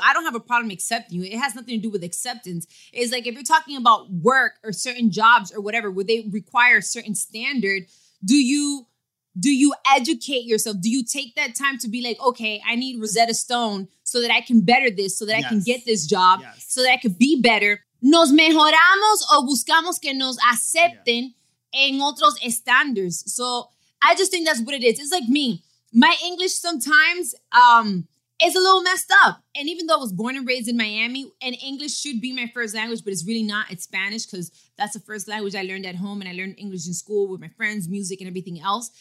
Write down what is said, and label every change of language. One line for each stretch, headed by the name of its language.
English: I don't have a problem accepting you. It has nothing to do with acceptance. It's like, if you're talking about work or certain jobs or whatever, where they require a certain standard, do you educate yourself? Do you take that time to be like, okay, I need Rosetta Stone so that I can better this, so that I can get this job, so that I could be better?
Spanish: Nos mejoramos o buscamos que nos acepten en otros estándares.
English: So I just think that's what it is. It's like me. My English sometimes is a little messed up. And even though I was born and raised in Miami, and English should be my first language, but it's really not. It's Spanish, because that's the first language I learned at home. And I learned English in school with my friends, music, and everything else.